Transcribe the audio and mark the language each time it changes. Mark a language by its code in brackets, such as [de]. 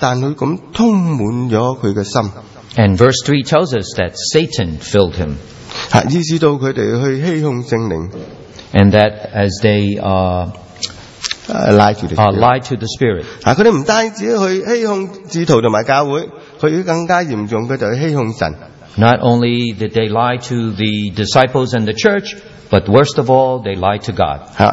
[zh] 第三節他還說,被撒旦充滿了他的心。 [en] And verse 3 tells us that Satan filled him. [zh] 意思到他們去欺哄聖靈。 [en] And that as they lie to the Spirit. [zh] 他們不單止去欺哄使徒和教會, 他們更加嚴重的就是欺哄神。 [en] Not only did they lie to the disciples and the church, but worst of all, they lied to God.